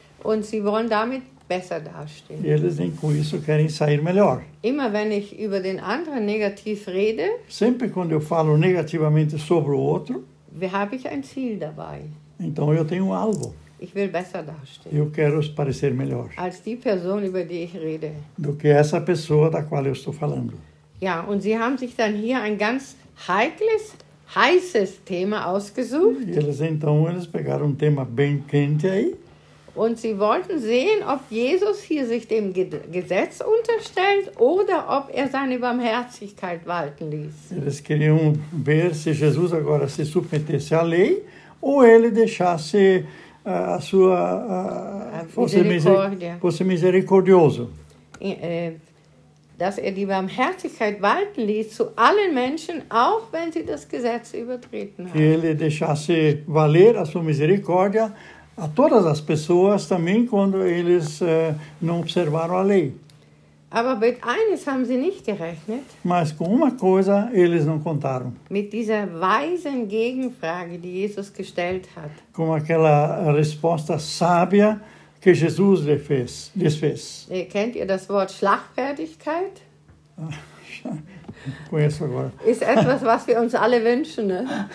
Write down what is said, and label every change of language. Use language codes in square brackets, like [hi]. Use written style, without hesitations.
[de] Und sie wollen damit besser dastehen. [pt] E eles com isso querem sair melhor. [de] Immer wenn ich über den anderen negativ rede, [pt] sempre quando eu falo negativamente sobre o outro, [de] habe ich ein Ziel dabei. [pt] Então eu tenho um alvo. [de] Ich will besser dastehen. [pt] Eu quero parecer melhor. [de] Als die Person, über die ich rede. [pt] Do que essa pessoa da qual eu estou falando. [de] Ja, und sie haben sich dann hier ein ganz heikles, heißes Thema ausgesucht. [pt] E eles pegaram um tema bem quente aí. [de] Und sie wollten sehen, ob Jesus hier sich dem Gesetz unterstellt oder ob seine Barmherzigkeit walten ließ. [pt] Eles queriam ver se Jesus agora se submetesse à lei ou ele deixasse a sua fosse misericordioso. [de] Dass die Barmherzigkeit walten ließ zu allen Menschen, auch wenn sie das Gesetz übertreten haben. [pt] Que ele deixasse valer a sua misericórdia a todas as pessoas também quando eles não observaram a lei. [de] Aber mit eines haben sie nicht gerechnet. [pt] Mas com uma coisa eles não contaram. [de] Mit dieser weisen Gegenfrage, die Jesus gestellt hat. [pt] Com aquela resposta sábia que Jesus lhes fez. [de] Kennt ihr das Wort Schlagfertigkeit? [pt] Conheço agora. [de] Ist etwas, was wir uns alle wünschen, ne?